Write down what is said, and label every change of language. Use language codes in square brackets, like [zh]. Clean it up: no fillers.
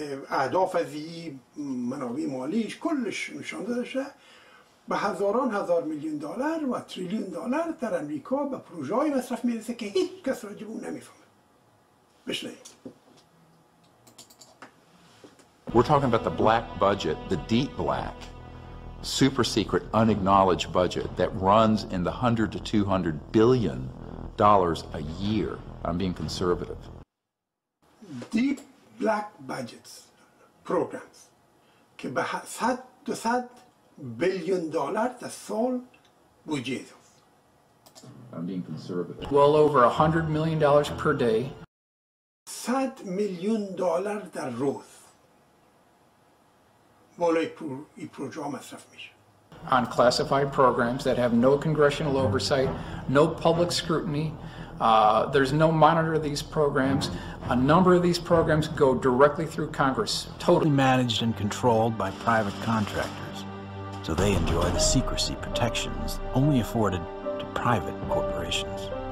[fa] اهداف از این منابع مالیش کلش نشان داده شده به هزاران هزار میلیون دلار و تریلیون دلار در امریکا به پروژه های مصرف میرسه که هیچ کس راجب اون نمیفهمه بشنید [en] We're talking about the black budget, the deep black, super secret, unacknowledged budget that runs in the 100 to 200 billion dollars a year. I'm being conservative. Deep black budgets, programs, [fa] که به [en] 100 to 100 billion dollars [fa] در سال بودجه. [en] I'm being conservative. Well over 100 million dollars per day. 100 million dollars [fa] در روز. بالای پروژه ها مصرف میشه [en] On classified programs that have no congressional oversight, no public scrutiny, there's no monitor of these programs. A number of these programs go directly through Congress, totally managed and controlled by private contractors. So they enjoy the secrecy protections only afforded to private corporations.